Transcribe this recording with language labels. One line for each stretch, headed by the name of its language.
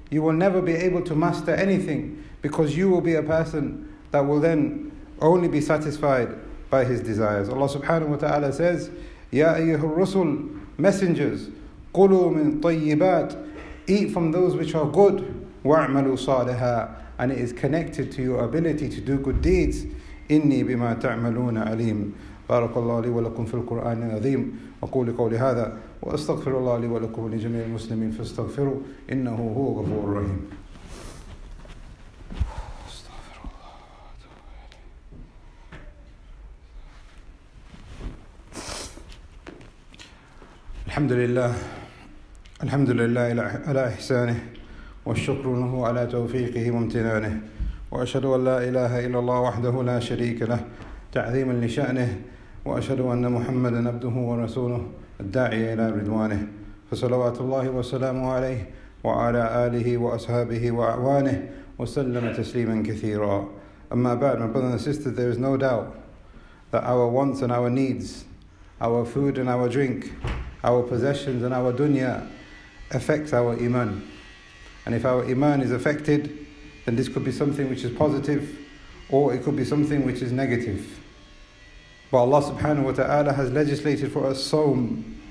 English: You will never be able to master anything, because you will be a person that will then only be satisfied by his desires. Allah subhanahu wa ta'ala says,
Arabic: Ya ayyuhur rusul,
English: messengers,
Arabic: قُلُوا مِن طَيِّبَاتِ,
English: eat from those which are good,
Arabic: وَاعْمَلُوا صَالِحًا,
English: and it is connected to your ability to do good deeds.
Arabic: إِنِّي بِمَا تَعْمَلُونَ عَلِيمٌ. بارك الله لي ولكم في القرآن العظيم أقول قولي هذا وأستغفر الله لي ولكم ولجميع المسلمين فاستغفروا إنه هو غفور رحيم. الحمد لله الحمد لله على إحسانه والشكر له على توفيقه وامتنانه وأشهد أن لا إله إلا الله وحده لا شريك له تعظيما لشأنه وأشهد أن محمدا عبده ورسوله الداعي إلى رضوانه فصلوات الله وسلامه عليه وعلى آله وأصحابه وأعوانه وسلم تسليما كثيرا. أما بعد,
English: my brothers and sisters, there is no doubt that our wants and our needs, our food and our drink, our possessions and our dunya affects our iman. And if our iman is affected, then this could be something which is positive or it could be something which is negative. But Allah subhanahu wa ta'ala has legislated for us sawm,